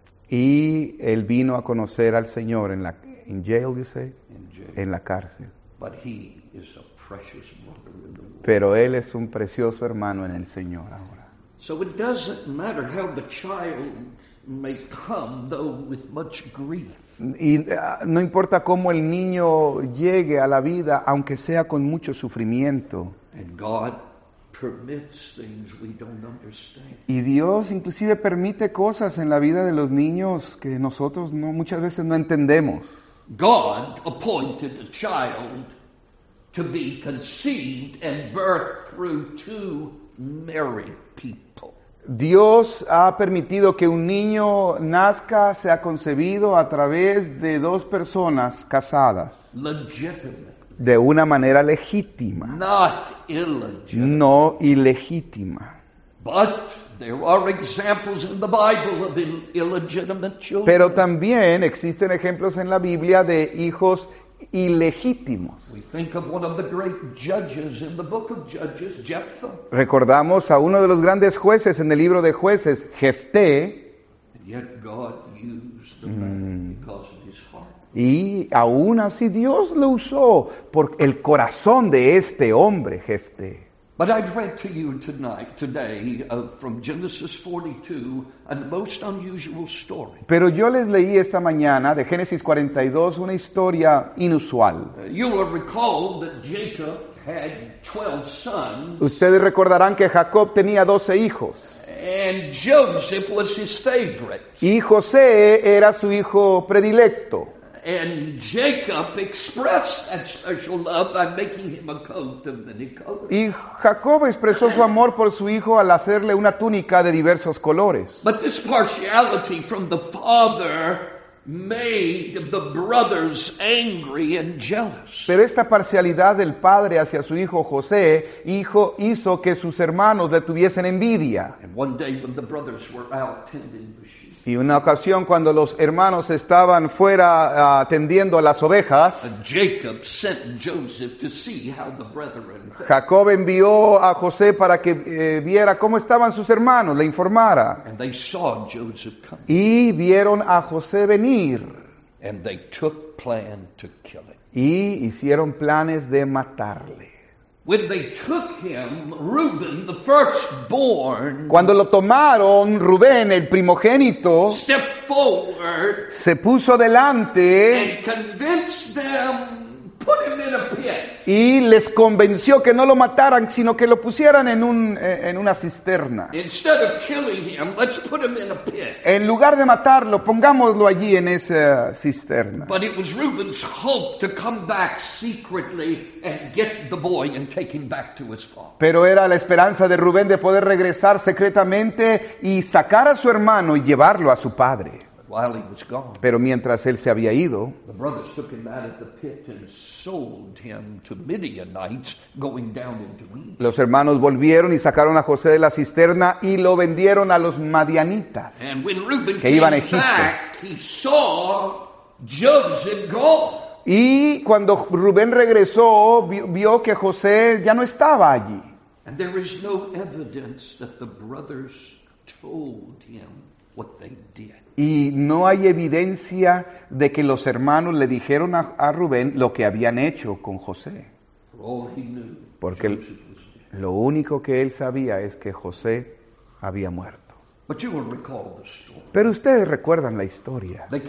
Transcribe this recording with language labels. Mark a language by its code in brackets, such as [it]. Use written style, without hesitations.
[es] Y él vino a conocer al Señor en la cárcel. [en] But he is a precious brother in the Lord. [es] Pero él es un precioso hermano en el Señor ahora. [en] So it doesn't matter how the child may come, though with much grief. [es] Y no importa cómo el niño llegue a la vida, aunque sea con mucho sufrimiento. [en] And God permits things we don't understand. [es] Y Dios inclusive permite cosas en la vida de los niños que nosotros no, muchas veces no entendemos. [en] God appointed a child to be conceived and birthed through two married people. [es] Dios ha permitido que un niño nazca, sea concebido a través de dos personas casadas. [en] Legitimate. [es] De una manera legítima. [en] Not illegitimate. [es] No ilegítima. [en] But there are examples in the Bible of illegitimate children. [es] Pero también existen ejemplos en la Biblia de hijos ilegítimos. [en] We think of one of the great judges in the book of Judges, Jephthah. [es] Recordamos a uno de los grandes jueces en el libro de jueces, Jefté. [en] And yet God used the man because of his heart. [es] Y aún así Dios lo usó por el corazón de este hombre, Jefté. [en] But I've read to you tonight, today, from Genesis 42, a most unusual story. [es] Pero yo les leí esta mañana, de Génesis 42, una historia inusual. [en] You will recall that Jacob had 12 sons. [es] Ustedes recordarán que Jacob tenía 12 hijos. [en] And Joseph was his favorite. [es] Y José era su hijo predilecto. [en] And Jacob expressed that special love by making him a coat of many colors. [es] Y Jacob expresó su amor por su hijo al hacerle una túnica de diversos colores. [en] But this partiality from the father made the brothers angry and jealous. [es] Pero esta parcialidad del padre hacia su hijo José hizo que sus hermanos le tuviesen envidia. [en] And one day when the brothers were out tending the sheep. [es] Y una ocasión cuando los hermanos estaban fuera tendiendo las ovejas, [en] Jacob sent Joseph to see how the brethren. [es] Jacob envió a José para que viera cómo estaban sus hermanos, le informara. [en] And they saw Joseph come. [es] Y vieron a José venir. [en] And they took plan to kill him. [es] Y hicieron planes de matarle. [en] When they took him, Reuben, the firstborn, [es] cuando lo tomaron, Rubén, el primogénito, [en] stepped forward, [es] se puso delante, [en] and convinced them, put him in a pit. [es] Y les convenció que no lo mataran, sino que lo pusieran en una cisterna. [en] Instead of killing him, let's put him in a pit. [es] En lugar de matarlo, pongámoslo allí en esa cisterna. [en] But it was Reuben's hope to come back secretly and get the boy and take him back to his father. [es] Pero era la esperanza de Rubén de poder regresar secretamente y sacar a su hermano y llevarlo a su padre. [en] While he was gone, [es] pero mientras él se había ido, [en] the brothers took him out of the pit and sold him to Midianites, going down into Egypt. [es] Los hermanos volvieron y sacaron a José de la cisterna y lo vendieron a los madianitas. [en] And when Reuben [es] que iban a Egipto, [en] back, he saw Joseph gone. [es] Y cuando Rubén regresó, vio que José ya no estaba allí. [en] And there is no evidence that the brothers told him what they did. [es] Y no hay evidencia de que los hermanos le dijeron a Rubén lo que habían hecho con José. Porque lo único que él sabía es que José había muerto. Pero ustedes recuerdan la historia.